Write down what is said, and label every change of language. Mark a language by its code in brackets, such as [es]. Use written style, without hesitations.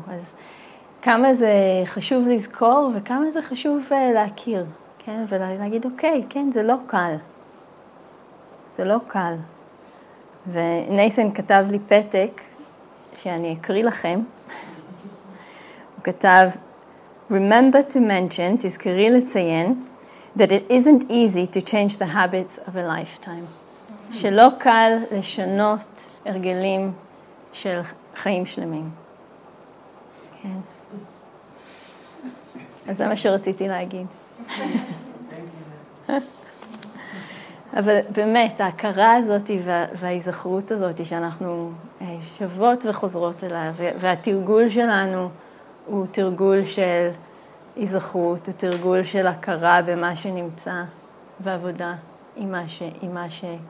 [he] אז כמה זה חשוב לזכור וכמה זה חשוב להכיר, כן? ולהגיד, אוקיי, כן, זה לא קל. זה לא קל. ונייתן כתב לי פתק שאני אקריא לכם. הוא כתב, [en] Remember to mention, [he] תזכרי לציין, [en] that it isn't easy to change the habits of a lifetime. [he] שלא קל לשנות הרגלים של חיים שלמים. כן. אז זה מה שרציתי להגיד. אבל באמת, ההכרה הזאת וההיזכרות הזאת שאנחנו שוות וחוזרות אליה, והתרגול שלנו הוא תרגול של היזכרות, הוא תרגול של הכרה במה שנמצא בעבודה עם מה ש... עם מה ש...